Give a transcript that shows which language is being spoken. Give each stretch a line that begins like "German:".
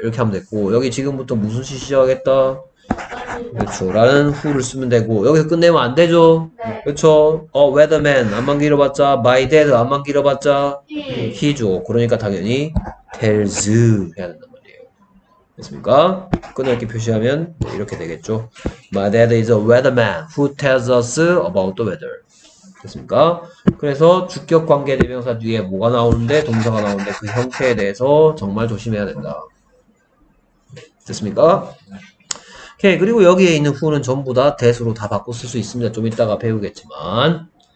Korean: 이렇게 하면 됐고, 여기 지금부터 무슨 시 시작했다? 그쵸. 라는 후를 쓰면 되고, 여기서 끝내면 안 되죠? 그쵸. weatherman. 안만 길어봤자. my dad. 안만 길어봤자. he죠. 그러니까 당연히 tells 해야 된단 말이에요. 됐습니까? 끝날 때 표시하면 뭐 이렇게 되겠죠.
English: my dad is a weatherman who tells us about the weather.
Korean: 됐습니까? 그래서 주격 관계 대명사 뒤에 뭐가 나오는데, 동사가 나오는데, 그 형태에 대해서 정말 조심해야 된다. 됐습니까? 오케이. 그리고 여기에 있는 후는 전부 다 대수로 다 바꿔 쓸수 있습니다. 좀 이따가 배우겠지만.